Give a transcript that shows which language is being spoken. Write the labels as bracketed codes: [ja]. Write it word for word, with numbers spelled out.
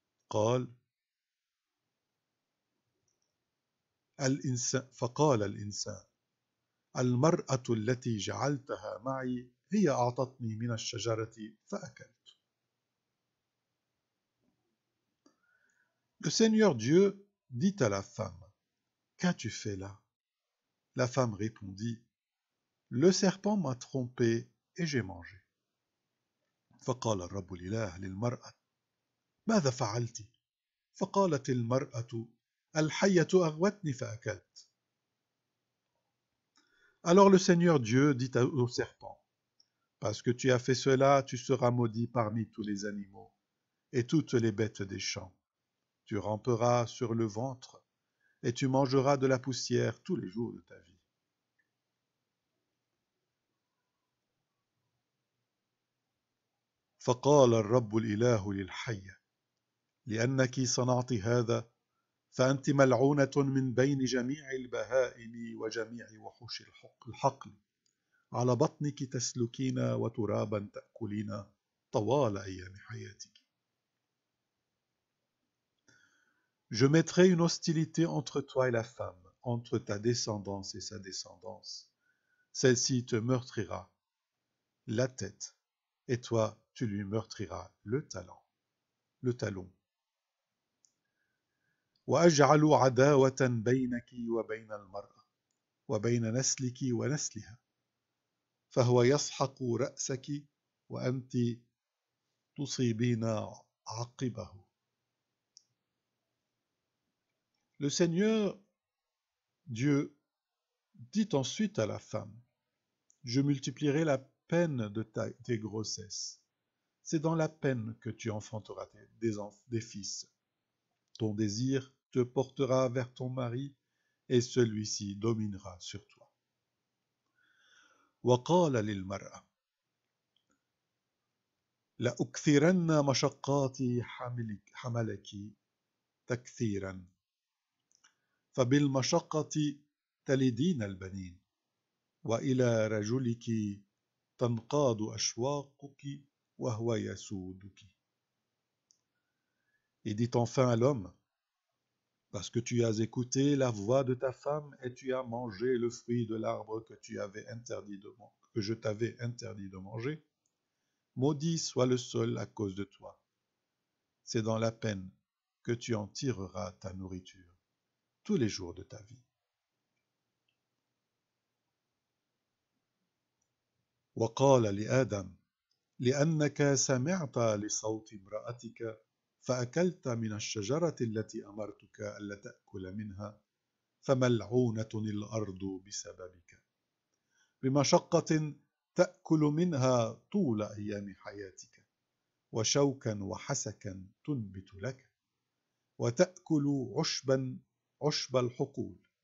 [ar] قال الإنسان فقال الإنسان المرأة التي جعلتها معي هي أعطتني من الشجرة فأكلت. [fr] Le Seigneur Dieu dit à la femme, Qu'as-tu fait là? La femme répondit, Le serpent m'a trompé et j'ai mangé. [ar] فقال الرب الإله للمرأة ماذا فعلت؟ فقالت المرأة الحية أغوتني فأكلت. [fr] Alors le Seigneur Dieu dit au serpent, Parce que tu as fait cela, tu seras maudit parmi tous les animaux et toutes les bêtes des champs. Tu ramperas sur le ventre et tu mangeras de la poussière tous les jours de ta vie. [ar] فقال الرب الإله للحية لأنك صنعت هذا فأنت ملعونة من بين جميع البهائم وجميع وحوش الحقل على بطنك تسلكين وترابا تأكلين طوال أيام حياتك. [fr] Je mettrai une hostilité entre toi et la femme, entre ta descendance et sa descendance. Celle-ci te meurtrira la tête, et toi, tu lui meurtriras le talon. Le talon. [ar] وأجعل عداوة بينك وبين المرأة وبين نسلك ونسلها فهو يسحق رأسك وأنت تصيبين عقبه. [fr] Le Seigneur Dieu dit ensuite à la femme, Je multiplierai la peine de ta, tes grossesses. C'est dans la peine que tu enfanteras des, des fils. Ton désir te portera vers ton mari, et celui-ci dominera sur toi. [ar] وقال للمرأة لأكثرن مشقات حملك تكثيرا فبالمشقة تلدين البنين وإلى رجلك تنقاد أشواقك وهو يسودك. [fr] Et dit enfin à l'homme, Parce que tu as écouté la voix de ta femme et tu as mangé le fruit de l'arbre que, tu avais interdit de, que je t'avais interdit de manger, maudit soit le sol à cause de toi. C'est dans la peine que tu en tireras ta nourriture tous les jours de ta vie. [ar] وقال لآدم لأنك سمعت لصوت امرأتك فأكلت من الشجرة التي أمرتك ألا تأكل منها فملعونة الأرض بسببك بمشقة تأكل منها طول أيام حياتك وشوكا وحسكا تنبت لك وتأكل عشبا عشب الحقول.